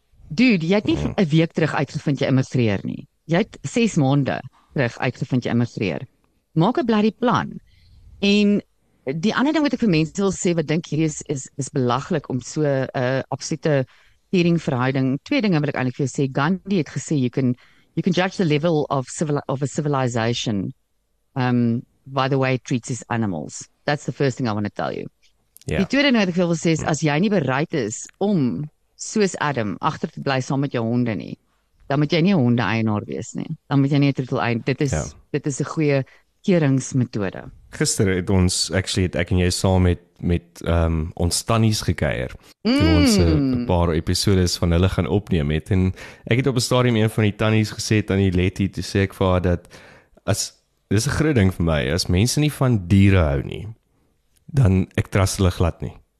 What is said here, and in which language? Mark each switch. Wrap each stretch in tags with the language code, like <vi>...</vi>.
<af>Dude, jy het nie 'n week terug uitgevind jy immigreer nie, jy het 6 maande terug uitgevind jy immigreer, maak 'n bloody plan, en die ander ding wat ek vir mense wil sê, wat dink hier is belaglik om so absolute hering verhouding. 2 dinge wil ek eintlik vir jou sê. Gandhi het gesê</af> <en>you can judge the level of a civilization by the way it treats its animals. That's the first thing I want to tell you.</en> <af>Ja. Die tweede ding wat ek vir jou wil sê is, as jy nie bereid is om soos Adam agter te bly saam met jou honde nie, dan moet jy nie 'n honde eienaar wees nie. Dan moet jy nie 'n troetel eienaar. Dit is 'n goeie keringsmetode. Gister het ons, actually het ek en jy saam met ons tannies gekeier, toe ons 'n paar episodes van hulle gaan opneem het, en ek het op 'n stadium een van die tannies gesê, tannie Letty, toe sê ek vir haar dat, dis 'n groot ding vir my, as mense nie van diere hou nie, dan ek trust hulle glad nie.</af>